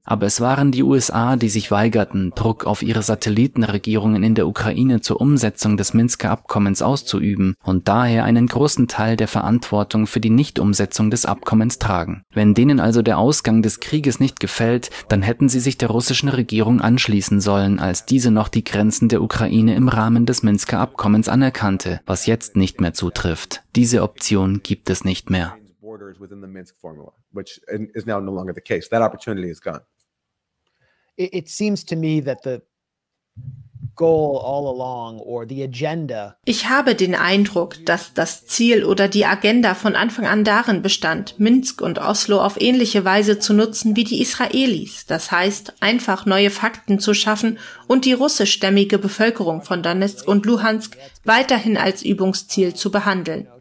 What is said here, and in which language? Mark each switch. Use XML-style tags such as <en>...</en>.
<de>Aber es waren die USA, die sich weigerten, Druck auf ihre Satellitenregierungen in der Ukraine zur Umsetzung des Minsker Abkommens auszuüben und daher einen großen Teil der Verantwortung für die Nichtumsetzung des Abkommens tragen. Wenn denen also der Ausgang des Krieges nicht gefällt, dann hätten sie sich der russischen Regierung anschließen sollen, als diese noch die Grenzen der Ukraine im Rahmen des Minsker Abkommens anerkannte, was jetzt nicht mehr zutrifft. Diese Option gibt es nicht mehr.</de> <en>Within the Minsk formula, which is now no longer the case. That opportunity is gone. It seems to me that the goal all along or the agenda.</en> <de>Ich habe den Eindruck, dass das Ziel oder die Agenda von Anfang an darin bestand, Minsk und Oslo auf ähnliche Weise zu nutzen wie die Israelis. Das heißt, einfach neue Fakten zu schaffen und die russischstämmige Bevölkerung von Donetsk und Luhansk weiterhin als Übungsziel zu behandeln.</de>